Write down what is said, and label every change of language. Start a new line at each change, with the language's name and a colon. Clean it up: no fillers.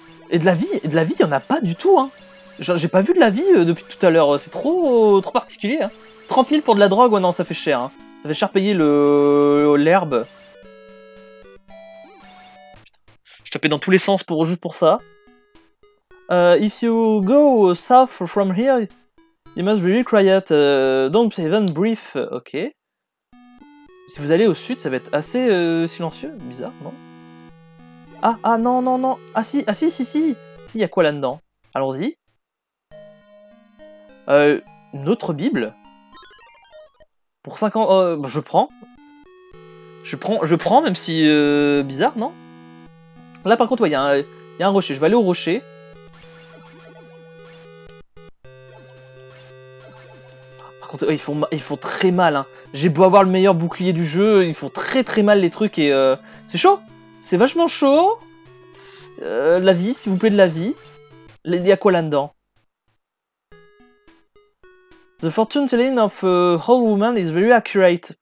French: Et de la vie, il n'y en a pas du tout, hein. J'ai pas vu de la vie depuis tout à l'heure, c'est trop particulier, hein. 30 000 pour de la drogue, ouais, non, ça fait cher, hein. Ça fait cher payer l'herbe. Taper dans tous les sens pour juste pour ça.
English: If you go south from here, you must be really quiet. Don't even breathe. Ok.
French: Si vous allez au sud, ça va être assez silencieux. Bizarre, non? Ah, non, non, non. Ah, si. Il y a quoi là-dedans? Allons-y. Une autre Bible? Pour 5 ans. Je prends, même si. Bizarre, non? Là, par contre, ouais, y a un rocher. Je vais aller au rocher. Par contre, ouais, ils font très mal, hein. J'ai beau avoir le meilleur bouclier du jeu, ils font très très mal les trucs et... c'est chaud. C'est vachement chaud. La vie, s'il vous plaît, de la vie. Il y a quoi là-dedans?
English: The fortune telling of a whole woman is very accurate.